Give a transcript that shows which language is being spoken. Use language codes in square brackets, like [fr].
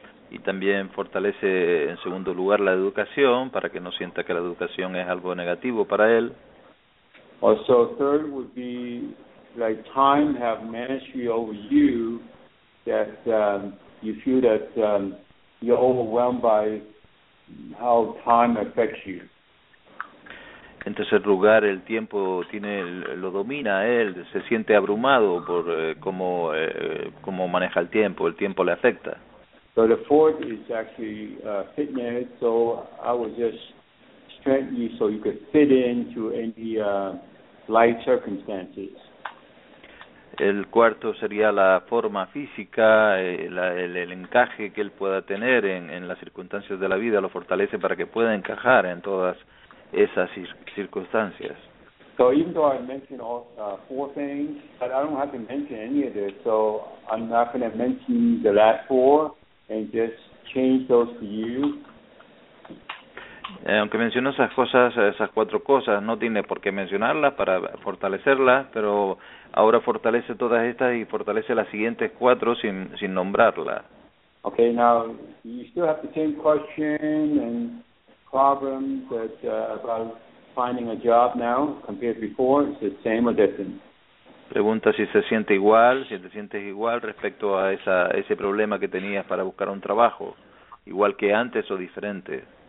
[es] Y también fortalece en segundo lugar la educación para que no sienta que la educación es algo negativo para él. [en] Also, third would be like time have mastery over you that you feel that you're overwhelmed by how time affects you. [es] En tercer lugar, el tiempo lo domina él, se siente abrumado por cómo maneja el tiempo le afecta. [en] So the fourth is actually fitness, so I would just strengthen you so you could fit into any life circumstances. [es] El cuarto sería la forma física, el encaje que él pueda tener en las circunstancias de la vida, lo fortalece para que pueda encajar en todas esas circunstancias. [en] So even though I mentioned all four things, but I don't have to mention any of this, so I'm not going to mention the last four and just change those to you. [es] Aunque menciono esas cosas, esas cuatro cosas, no tiene por qué mencionarlas para fortalecerlas, pero ahora fortalece todas estas y fortalece las siguientes cuatro sin nombrarlas. [en] Okay, now you still have the same question and problem that about finding a job now compared before. Is it same or different? [es] Pregunta si se siente igual, si te sientes igual respecto a ese problema que tenías para buscar un trabajo, igual que antes o diferente.